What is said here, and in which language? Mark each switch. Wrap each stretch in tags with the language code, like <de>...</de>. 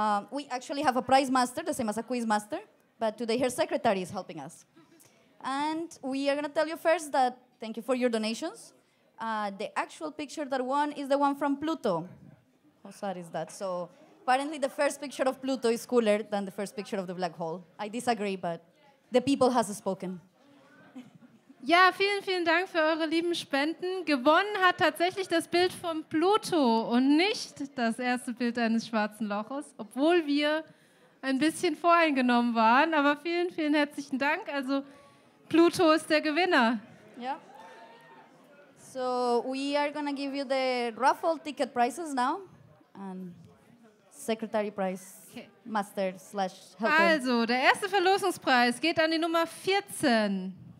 <en>We actually have a prize master, the same as a quiz master, but today her secretary is helping us. And we are going to tell you first that thank you for your donations. The actual picture that won is the one from Pluto. How sad is that? So apparently the first picture of Pluto is cooler than the first picture of the black hole. I disagree, but the people has spoken.</en> <de>Ja, vielen, vielen Dank für eure lieben Spenden. Gewonnen hat tatsächlich das Bild von Pluto und nicht das erste Bild eines schwarzen Loches, obwohl wir ein bisschen voreingenommen waren. Aber vielen, vielen herzlichen Dank. Also Pluto ist der Gewinner. Ja.</de> <en>Yeah. So we are going to give you the raffle ticket prices now. And secretary prize. Master slash helper.</en> <de>Also, der erste Verlosungspreis geht an die Nummer 14.</de>